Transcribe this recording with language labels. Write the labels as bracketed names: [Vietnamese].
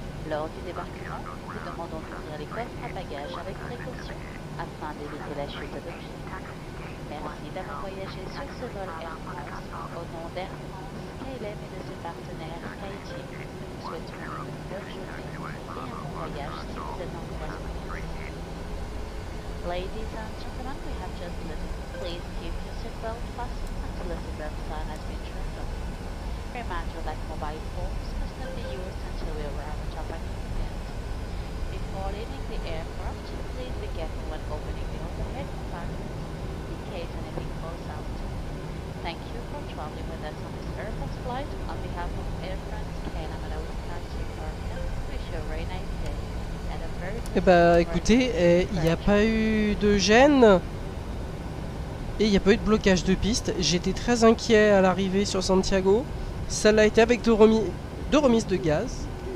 [French] Lors du débarquement, nous demandons d'ouvrir les coffres à bagages avec précaution afin d'éviter la chute d'objets. Merci d'avoir voyagé sur ce vol Air France. Au nom d'Air France, KLM et de ses partenaires, Kaiji, nous vous souhaitons une bonne journée et un bon voyage si vous êtes encore à son place. [English] Ladies and gentlemen, we have just landed. Please keep your seatbelt fastened until the seatbelt sign has been turned on. Reminder that mobile phones must not be used until we arrive at our destination. Before leaving the aircraft, please be careful when opening the overhead compartment. Thank you for traveling with us on this Air France flight. On behalf of Air France, KLM and Lauda Taxi Corp, wish you a very nice day and a very good. [French] Eh ben, écoutez, il n'y a pas eu de gêne et il n'y a pas eu de blocage de piste. J'étais très inquiet à l'arrivée sur Santiago. Ça l'a été avec deux remises de gaz.